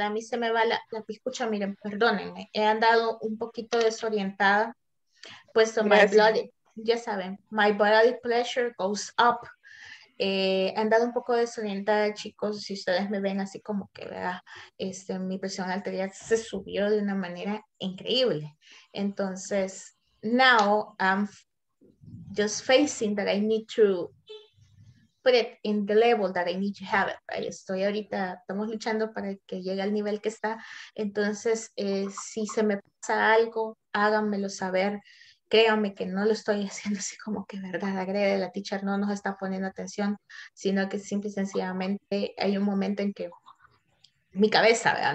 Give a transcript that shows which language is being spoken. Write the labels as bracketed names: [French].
[Spanish] A mí se me va la piscucha, miren, perdónenme. He andado un poquito desorientada. Puesto [English] my bloody, [Spanish] ya saben, [English] my bloody pressure goes up. [Spanish] He andado un poco desorientada, chicos, si ustedes me ven así como que, ¿verdad? Mi presión arterial se subió de una manera increíble. Entonces, [English] now I'm just facing that I need to put it in the level that I need to have it. Right? [Spanish] Estoy ahorita, estamos luchando para que llegue al nivel que está. Entonces, si se me pasa algo, háganmelo saber. Créanme que no lo estoy haciendo así como que verdad, agrede, la teacher no nos está poniendo atención, sino que simple y sencillamente hay un momento en que mi cabeza, ¿verdad?